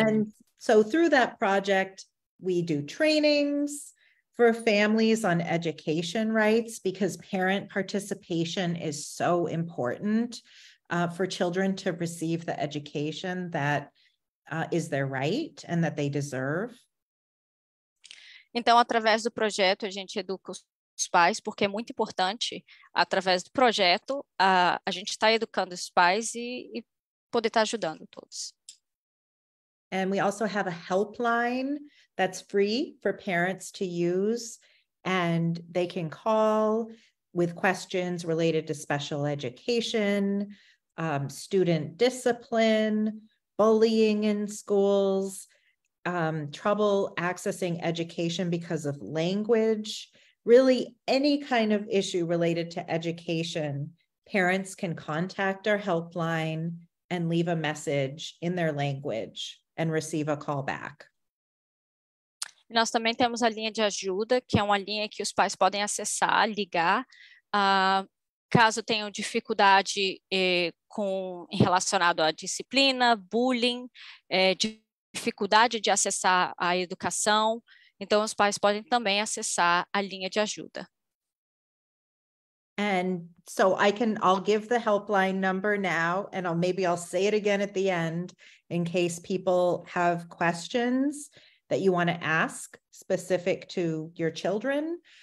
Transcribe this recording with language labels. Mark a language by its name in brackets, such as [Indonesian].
[English] And so through that project, we do trainings for families on education rights, because parent participation is so important for children to receive the education that is their right and that they deserve. [Portuguese] Então, através do projeto, a gente educa os pais, porque é muito importante, através do projeto, a gente está educando os pais e poder estar ajudando todos. [English] And we also have a helpline that's free for parents to use, and they can call with questions related to special education, student discipline, bullying in schools, trouble accessing education because of language, really any kind of issue related to education parents can contact our helpline and leave a message in their language and receive a call back. [Portuguese] Nós também temos a linha de ajuda, que é uma linha que os pais podem acessar, ligar, caso tenham dificuldade relacionado à disciplina, bullying, dificuldade de acessar a educação. Então, os pais podem também acessar a linha de ajuda. [English] And so I'll give the helpline number now, and I'll say it again at the end in case people have questions that you want to ask specific to your children.